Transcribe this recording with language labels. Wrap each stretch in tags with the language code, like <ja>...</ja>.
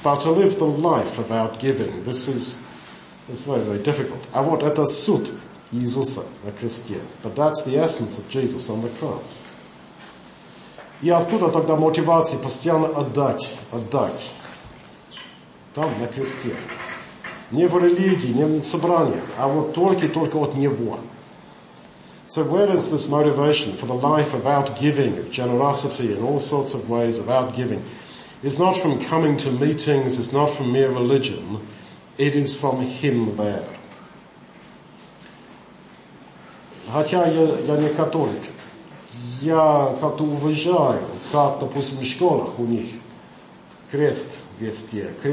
<en>But to live the life of outgiving, it's very, very difficult.</en> <ru>А вот это суть Иисуса на кресте.</ru> <en>But that's the essence of Jesus on the cross.</en> <ru>И откуда тогда мотивация постоянно отдать? Там, на кресте. Не в религии, не в собрании, а вот только от Него.</ru> <en>So where is this motivation for the life of outgiving, of generosity in all sorts of ways of outgiving? It's not from coming to meetings, it's not from mere religion. It is from him there.</en> <ru>Хотя я не католик, я как-то уважаю, как, допустим, в школах у них крест везде.</ru>